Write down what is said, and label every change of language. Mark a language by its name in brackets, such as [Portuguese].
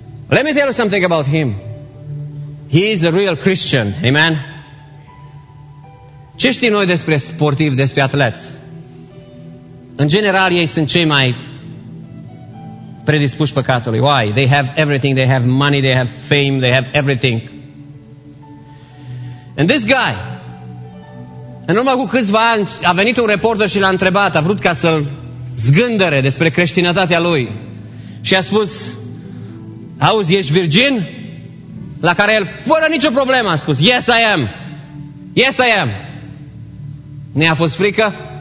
[English] Let me tell you something about him. He is a real Christian, amen? [Romanian] Ce știm noi despre sportivi, despre atleți? În general, ei sunt cei mai predispuși păcatului. [English] Why? They have everything. They have money, they have fame, they have everything. And this guy, [Romanian] în urmă cu câțiva ani, a venit un reporter și l-a întrebat, a vrut ca să-l zgândere despre creștinătatea lui. Și a spus, auzi, ești virgin? La care el, fără nicio problemă, a spus, [English] yes, I am. Yes, I am. [Romanian] Ne-a fost frică?